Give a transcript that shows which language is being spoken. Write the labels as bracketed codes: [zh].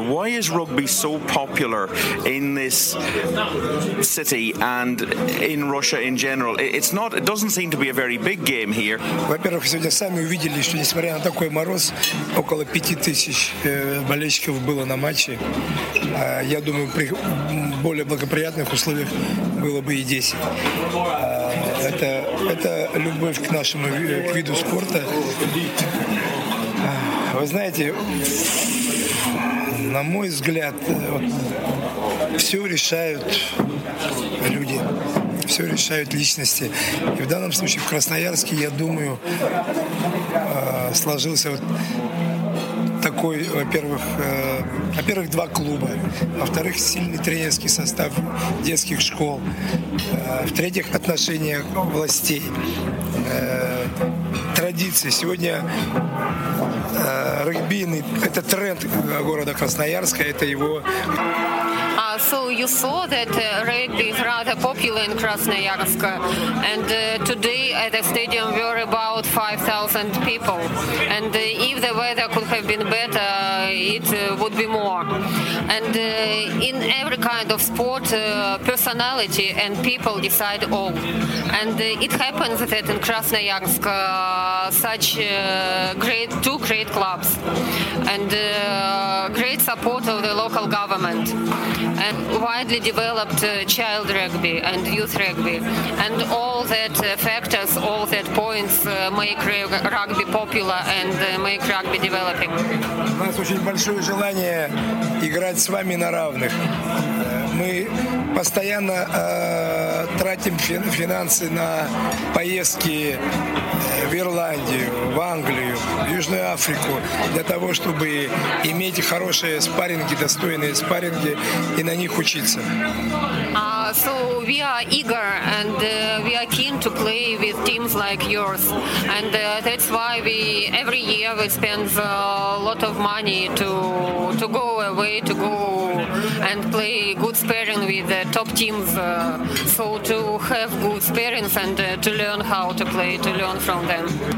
[en] Why is rugby so popular in this city and in Russia in general? It doesn't seem to be a very big game here. [ru] Во-первых, сегодня сами увидели, что несмотря на такой мороз, около 5000 болельщиков было на матче. Я думаю, при более благоприятных условиях было бы и 10. Это любовь к нашему к виду спорта. Вы знаете, на мой взгляд, все решают люди, все решают личности. И в данном случае в Красноярске, я думаю, сложился вот такой, во-первых, два клуба, во-вторых, сильный тренерский состав детских школ, в-третьих, отношения властей, традиции. Сегодня регбийный – это тренд города Красноярска, это его… [en] So you saw that rugby is rather popular in Krasnoyarsk, and today at the stadium were about 5,000 people, and if the weather could have been better, it would be more. And in every kind of sport, personality and people decide all. And it happens that in Krasnoyarsk such great two great clubs and great support of the local government. And why widely developed child rugby and youth rugby, and all that factors, all that points make rugby popular and make rugby developing. [ru] У нас очень большое желание играть с вами на равных. Мы постоянно тратим финансы на поездки в Ирландию, в Англию, в Южную Африку для того, чтобы иметь хорошие спарринги, достойные спарринги и на них учиться. [en] So we are eager and we are keen to play with teams like yours, and that's why we every year we spend a lot of money to go away, to go and play good sparring with the top teams, so to have good sparrings and to learn how to play, to learn from them.